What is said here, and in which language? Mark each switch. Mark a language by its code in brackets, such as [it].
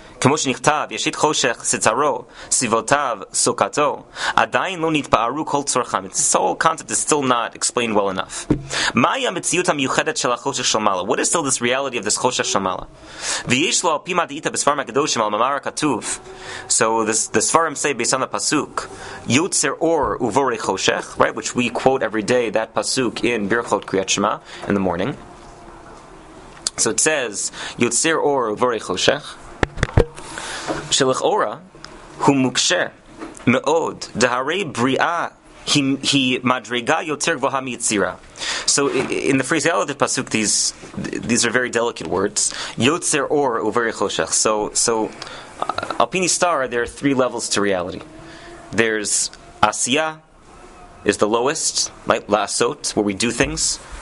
[he] כמו שנכתב, ישית חושך סצרו, סביבותיו, סוכתו, עדיין לא נתפארו כל צורכם. [en] This whole concept is still not explained well enough. [he] מהי המציאות המיוחדת של החושך שלמעלה? [en] What is still this reality of this [he] חושך שלמעלה? ויש לו על פי מדעית בספרם הקדושים על ממאר הכתוב. [en] So the ספרם say, based on the pasuk, [he] יוצר אור ובורי חושך, [en] right, which we quote every day, that pasuk in Birchot Kriyat Shema, in the morning. [he] So it says, יוצר אור ובורי חושך, שלחורה הוא מוקשה מאוד דהרי בריאה he madriga yoter gvoha miyitzira. [en] So in the phraseology of the pasuk, these are very delicate words. [he] Yotzer or uveri choshech. [en] So alpini star, there are three levels to reality. There's asiya, is the lowest, like lasot, where we do things.